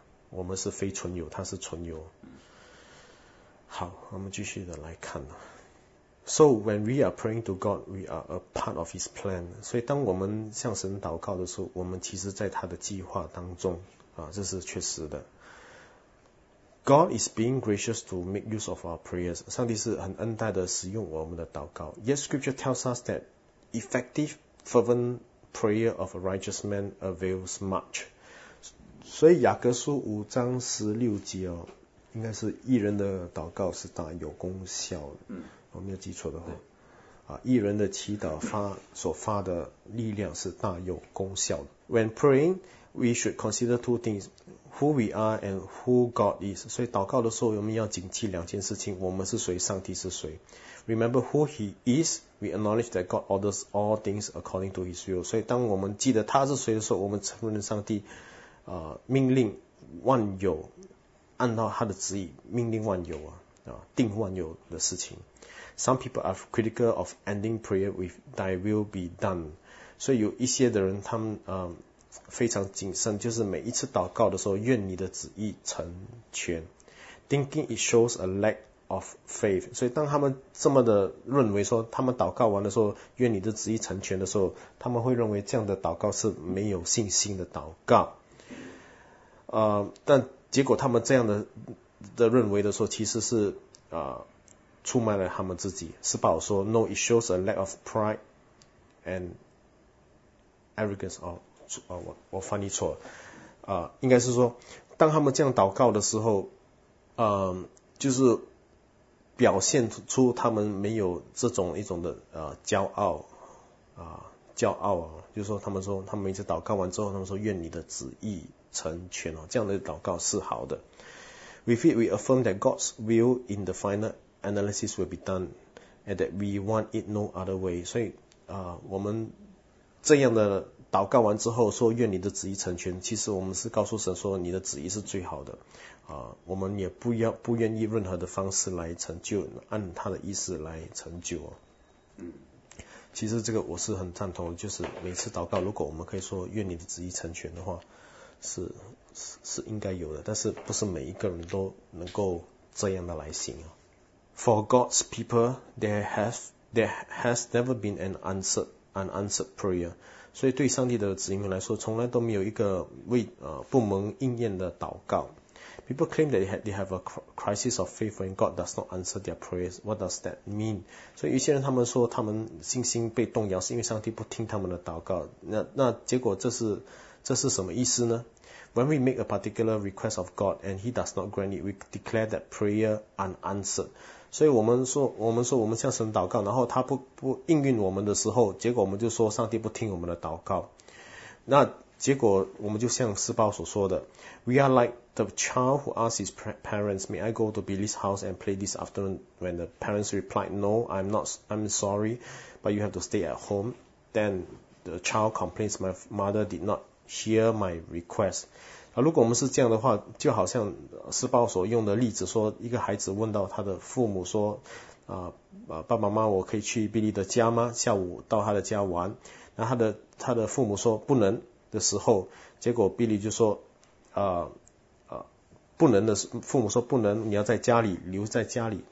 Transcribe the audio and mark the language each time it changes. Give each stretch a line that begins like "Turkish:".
Chinese: 我们是非存有，他是存有。好，我们继续的来看。
English: So when we are praying to God, we are a part of his plan.
Chinese: 所以当我们向神祷告的时候，我们其实在他的计划当中，这是确实的。
English: God is being gracious to make use of our prayers.
Chinese: 上帝是很恩待的使用我们的祷告。
English: Yet scripture tells us that effective fervent prayer of a righteous man avails much.
Chinese: 所以雅各书5章16节哦，应该是义人的祷告是大有功效的。嗯，我没有记错的话。啊，一人的祈祷发所发的力量是大有功效的。
English: When praying, we should consider two things: who we are and who God is.
Chinese: 所以祷告的时候，我们要谨记两件事情：我们是谁，上帝是谁。
English: Remember who He is. We acknowledge that God orders all things according to His will.
Chinese: 所以当我们记得他是谁的时候，我们承认上帝，命令万有按照他的旨意命令万有啊，啊，定万有的事情。
English: Some people are critical of ending prayer with "Thy will be done."
Chinese: 所以有一些的人，他们非常谨慎，就是每一次祷告的时候，愿你的旨意成全。
English: Thinking it shows a lack of faith.
Chinese: 所以当他们这么的认为说，他们祷告完的时候，愿你的旨意成全的时候，他们会认为这样的祷告是没有信心的祷告。但结果他们这样的认为的时候，其实是出卖了他们自己。斯宝说
English: ：“No, it shows a lack of pride and arrogance.”
Chinese: 我翻译错了。应该是说，当他们这样祷告的时候，就是表现出他们没有这种一种的骄傲啊，骄傲啊，就是说，他们说，他们每次祷告完之后，他们说：“愿你的旨意成全哦。” 这样的祷告是好的。
English: With it, we affirm that God's will in the final. Analysis will be done, and that we want it no other way.
Chinese: 所以，我们这样的祷告完之后，说愿你的旨意成全。其实我们是告诉神说，你的旨意是最好的。我们也不愿意任何的方式来成就，按他的意思来成就哦。其实这个我是很赞同的，就是每次祷告，如果我们可以说愿你的旨意成全的话，是应该有的。但是不是每一个人都能够这样的来行啊。
English: For God's people, there has never been an unanswered prayer.
Chinese: 所以对上帝的子民来说，从来都没有一个为不蒙应验的祷告。
English: People claim that they have a crisis of faith when God does not answer their prayers. What does that mean?
Chinese: 所以有些人他们说他们信心被动摇，是因为上帝不听他们的祷告。那结果这是什么意思呢？
English: When we make a particular request of God and He does not grant it, we declare that prayer unanswered.
Chinese: 所以我们说我们向神祷告，然后他不应允我们的时候，结果我们就说上帝不听我们的祷告。那结果我们就像诗包所说的
English: ，We are like the child who asks his parents, "May I go to Billy's house and play this afternoon?" When the parents replied, "No, I'm sorry, but you have to stay at home." Then the child complains, "My mother did not." Hear my request.
Chinese: 如果我们是这样的话，就好像诗包所用的例子说，一个孩子问到他的父母说，爸爸妈妈，我可以去 Billy 的家吗？下午到他的家玩。那他的父母说不能的时候，结果 Billy 就说，不能的，父母说不能，你要在家里，留在家里。